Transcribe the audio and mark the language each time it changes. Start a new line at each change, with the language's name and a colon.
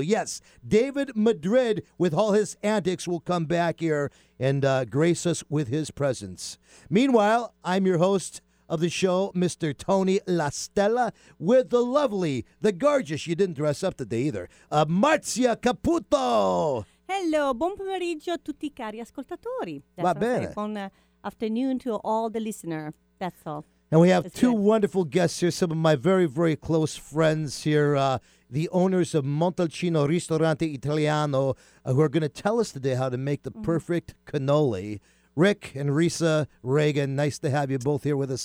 English: Yes, David Madrid, with all his antics, will come back here and grace us with his presence. Meanwhile, I'm your host of the show, Mr. Tony La Stella, with the lovely, the gorgeous, you didn't dress up today either, Marzia Caputo.
Italian: Hello, buon pomeriggio a tutti I cari ascoltatori. Va bene.
English: Buon afternoon to all the listener, that's all. And we have two wonderful guests here, some of my very, very close friends here, the owners of Montalcino Ristorante Italiano, who are going to tell us today how to make the perfect cannoli. Rick and Risa Reagan, nice to have you both here with us